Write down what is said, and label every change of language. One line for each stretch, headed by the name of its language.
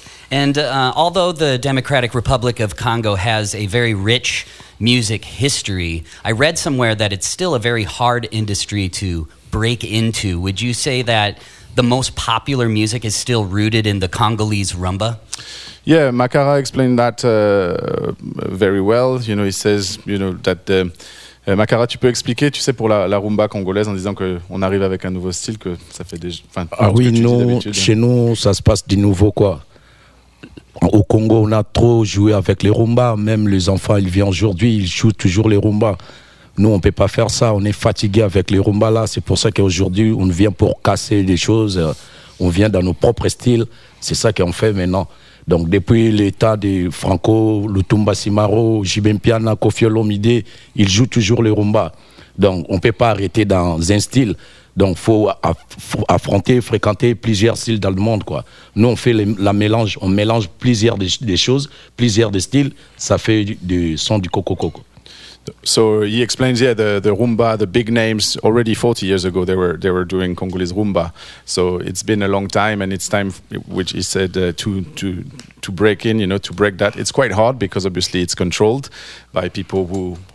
English: And although the Democratic Republic of Congo has a very rich music history, I read somewhere that it's still a very hard industry to break into. Would you say that the most popular music is still rooted in the Congolese rumba? Yeah, Makara explained that very well. You know, he says, you know, that the...
French: Makara, tu peux expliquer, tu sais, pour la rumba congolaise, en disant qu'on arrive avec un nouveau style, que ça fait des... Enfin, ah oui, non, chez nous, ça se passe du nouveau, quoi. Au Congo, on a trop joué avec les rumba. Même les enfants, ils viennent aujourd'hui, ils jouent toujours les rumba. Nous, on ne peut pas faire ça. On est fatigué avec les rumba là. C'est pour ça qu'aujourd'hui, on vient pour casser les choses. On vient dans nos propres styles. C'est ça qu'on fait maintenant. Donc, depuis l'état de Franco, Lutumba Simaro, Jibempiana, Kofi Olomide, ils jouent toujours les rumba. Donc, on ne peut pas arrêter dans un style. Donc, il faut affronter, fréquenter plusieurs styles dans le monde, quoi. Nous, on fait la mélange, on mélange plusieurs des choses, plusieurs des styles, ça fait du son du Kokoko.
English: So, he explains, yeah, the rumba, the big names, already 40 years ago, they were doing Congolese rumba. So, it's been a long time, and it's time, which he said, to break in, you know, to break that. It's quite hard, because obviously it's controlled by people who...